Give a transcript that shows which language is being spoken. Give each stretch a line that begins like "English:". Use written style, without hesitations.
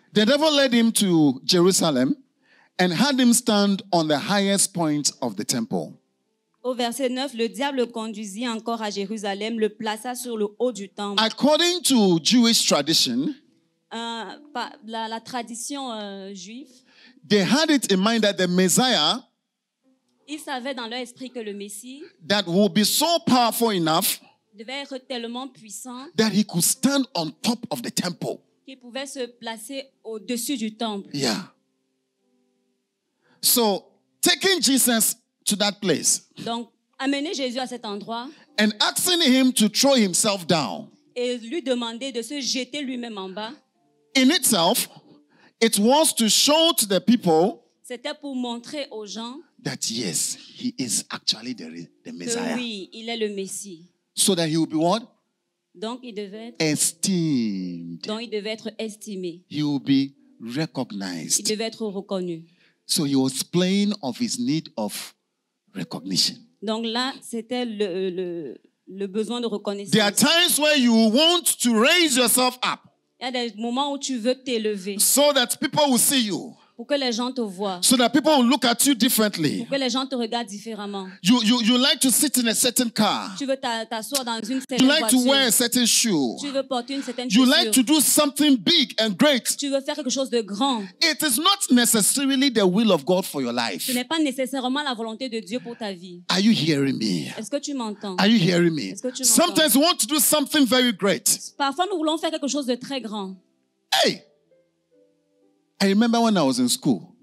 English: The devil led him to Jerusalem and had him stand on the highest point of the temple.
French: Au verset 9, le diable conduisit encore à Jérusalem, le plaça sur le haut du temple.
English: According to Jewish tradition,
French: La tradition juive.
English: They had it in mind that the Messiah.
French: Ils savaient dans leur esprit que le Messie.
English: That would be so powerful enough.
French: Devait être tellement puissant.
English: That he could stand on top of the temple.
French: Qu'il pouvait se placer au-dessus du temple.
English: Yeah. So taking Jesus to that place.
French: Donc amener Jésus à cet endroit.
English: And asking him to throw himself down.
French: Et lui demander de se jeter lui-même en bas.
English: In itself, it was to show to the people.
French: C'était pour montrer aux gens
English: that yes, he is actually the Messiah.
French: Que oui, il est le Messie.
English: So that he would be what?
French: Donc il devait être
English: esteemed.
French: Donc il devait être estimé.
English: He would be recognized.
French: Il devait être reconnu.
English: So he was playing of his need of recognition.
French: Donc là, c'était le besoin de reconnaissance.
English: There are times where you want to raise yourself up.
French: Il y a des moments où tu veux t'élever.
English: So that people will see you.
French: Pour que les gens te voient.
English: So that people will look at you differently.
French: Pour que les gens te regardent différemment.
English: You like to sit in a certain car.
French: Tu veux t'asseoir dans une certaine
English: you like
French: voiture.
English: To wear a certain shoe.
French: Tu veux porter une certaine
English: you
French: chaussure.
English: Like to do something big and great.
French: Tu veux faire quelque chose de grand.
English: It is not necessarily the will of God for your life.
French: Ce n'est pas nécessairement la volonté de Dieu pour ta vie.
English: Are you hearing me?
French: Est-ce que tu m'entends?
English: Are you hearing me?
French: Est-ce que tu m'entends?
English: Sometimes we want to do something very great.
French: Parfois nous voulons faire quelque chose de très grand.
English: Hey! I remember when I was in school.